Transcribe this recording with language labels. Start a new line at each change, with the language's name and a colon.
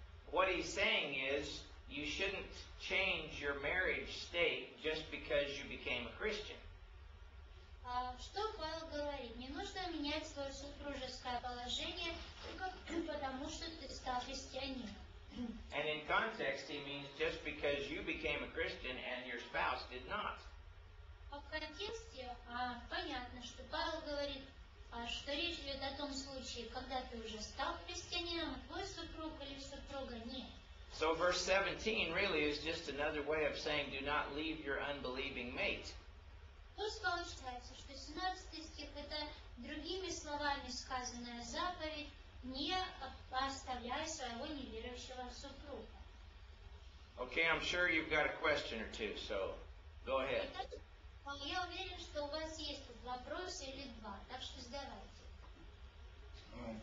English: What he's saying is, you shouldn't change your marriage state just because you became a Christian.
Russian: Что Павел говорит? Не нужно менять свое супружеское положение только потому, что ты стал христианином.
English: And in context, he means just because you became a Christian and your spouse did not.
Russian: А в контексте понятно, что Павел говорит, что речь идет о том случае, когда ты уже стал христианином, твой супруг или супруга нет.
English: So verse 17 really is just another way of saying do not leave your unbelieving mate.
Russian: То есть получается, что 17 стих это другими словами сказанная заповедь, не оставляй своего неверующего супруга.
English: Okay, I'm sure you've got a question or two, so go ahead.
Russian: Я уверен, что у вас есть вопрос или два, так что задавайте.